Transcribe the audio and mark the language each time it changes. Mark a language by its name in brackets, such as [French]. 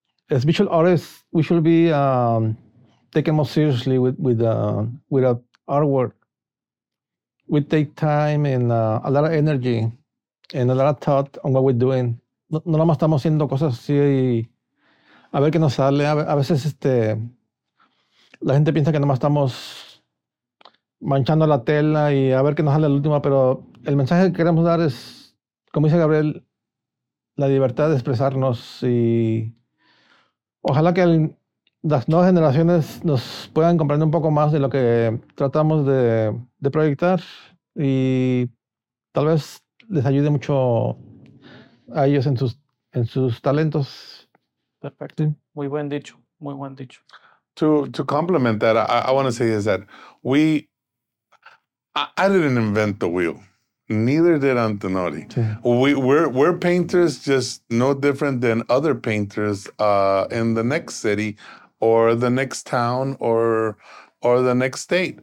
[English] As visual artists, we should be taken more seriously with artwork. We take time and a lot of energy and a lot of thought on what we're doing. [Spanish] No, no más estamos haciendo cosas así y a ver qué nos sale. A veces la gente piensa que nomás estamos manchando la tela y a ver qué nos sale la última, pero el mensaje que queremos dar es, como dice Gabriel, la libertad de expresarnos y ojalá que las nuevas generaciones nos puedan comprender un poco más de lo que tratamos de proyectar y tal vez les ayude mucho a ellos en sus talentos. Perfecto. Muy buen dicho. Muy buen dicho. [English] To complement that, I want to say is that I didn't invent the wheel. Neither did Antonori. Yeah. We're painters, just no different than other painters in the next city or the next town or the next state.